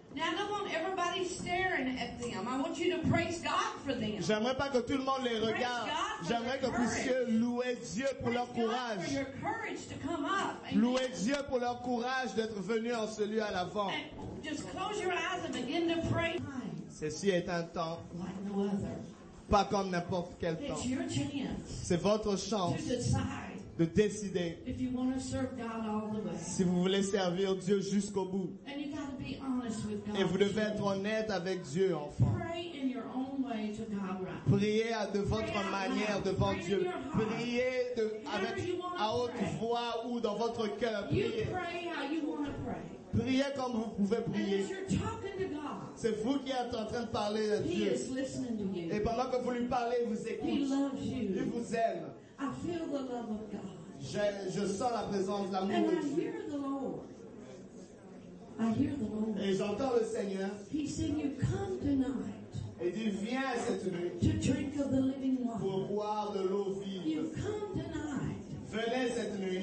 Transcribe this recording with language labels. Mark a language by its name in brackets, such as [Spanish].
[English] Now I don't want everybody staring at them. I want you to praise God for them. [French] J'aimerais pas que tout le monde les regarde. J'aimerais que vous puissiez louer Dieu pour leur courage. [English] Praise God for your courage to come up. [French] Louer Dieu pour leur courage d'être venu en ce lieu à l'avant. [English] And just close your eyes and begin to pray. [French] Ceci est un temps [English] like no other. [French] Pas comme n'importe quel [English] It's [French] temps. [English] It's your chance. [French] C'est votre chance. [English] To decide. [French] De décider [English] if you want to serve God all the way. [French] Si vous voulez servir Dieu jusqu'au bout. [English] And you gotta be honest with God. [French] Et vous devez être honnête avec Dieu, enfant. [English] Pray in your own way to God, right? [French] Priez de votre manière devant Dieu. Priez à haute voix ou dans votre cœur. Priez comme vous pouvez prier. C'est vous qui êtes en train de parler à Dieu. Et pendant que vous lui parlez, il vous écoute. Il vous aime. [English] I feel the love of God. [French] Je sens la présence, l'amour. [English] And I hear the Lord. I hear the Lord. [French] Et j'entends le Seigneur. [English] He said, "You come tonight." [French] Et dit, viens cette nuit. [English] To drink of the living water. [French] Pour boire de l'eau vive. [English] You come tonight. [French] Venez cette nuit.